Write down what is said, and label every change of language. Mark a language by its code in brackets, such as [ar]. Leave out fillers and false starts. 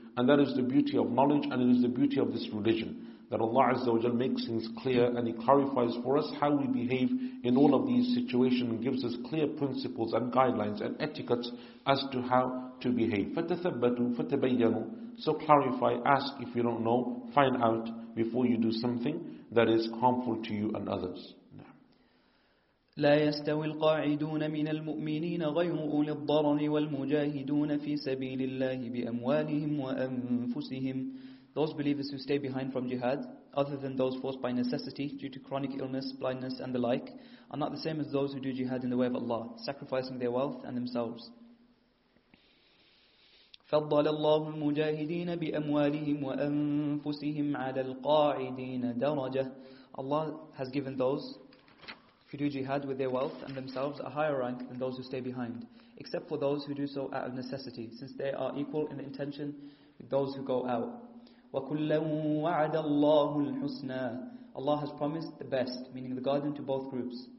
[en] And that is the beauty of knowledge, and it is the beauty of this religion, that Allah Azza wa Jalla makes things clear and He clarifies for us how we behave in all of these situations and gives us clear principles and guidelines and etiquettes as to how to behave. [ar] فَتَثَبَّتُوا فَتَبَيَّنُوا. [en] So clarify, ask if you don't know, find out before you do something that is harmful to you and others. [ar] لا يستوي القاعدون من المؤمنين غير أولي الضرر والمجاهدون في سبيل الله بأموالهم وأنفسهم. [en] Those believers who stay behind from jihad, other than those forced by necessity due to chronic illness, blindness and the like, are not the same as those who do jihad in the way of Allah, sacrificing their wealth and themselves. [ar] فضل الله المجاهدين بأموالهم وأنفسهم على القاعدين درجة. [en] Allah has given those who do jihad with their wealth and themselves a higher rank than those who stay behind, except for those who do so out of necessity, since they are equal in intention with those who go out. [ar] وَكُلًّا وَعَدَ اللَّهُ الْحُسْنَى. [en] Allah has promised the best, meaning the garden, to both groups.